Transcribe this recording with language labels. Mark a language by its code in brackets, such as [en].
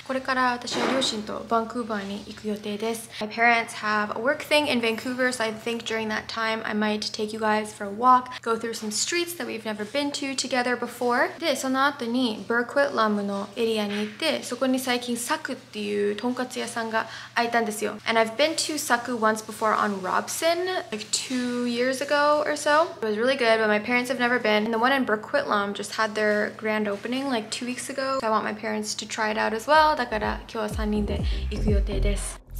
[ja] これから私は両親とバンクーバーに行く予定です。 [en] My parents have a work thing in Vancouver, so I think during that time I might take you guys for a walk, go through some streets that we've never been to together before. [ja] で、その後にブルクウィットラムのエリアに行って、そこに最近サクっていうとんかつ屋さんが開いたんですよ。 [en] And I've been to サク once before on Robson, like 2 years ago or so. It was really good, but my parents have never been. And the one in Brook Whitlam just had their grand opening like 2 weeks ago. So I want my parents to try it out as well. [ja] だから今日は3人で行く予定です。